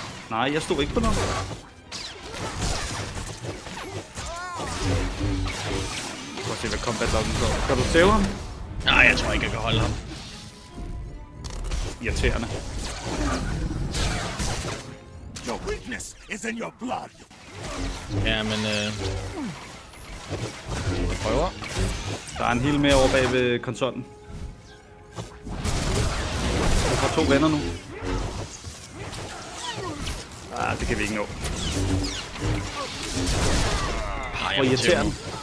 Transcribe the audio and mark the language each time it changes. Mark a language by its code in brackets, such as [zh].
[da] Nej, jeg stod ikke på noget. Prøv at se, hvad combat-loggen går. Kan du save ham? Nej, jeg tror ikke, jeg kan holde ham. Irriterende. [en] Your weakness is in your blood. [da] Ja, men jeg prøver. Der er en heal mere over bag ved konsollen. Du har to venner nu. Ah, det kan vi ikke nå. Og irriterende.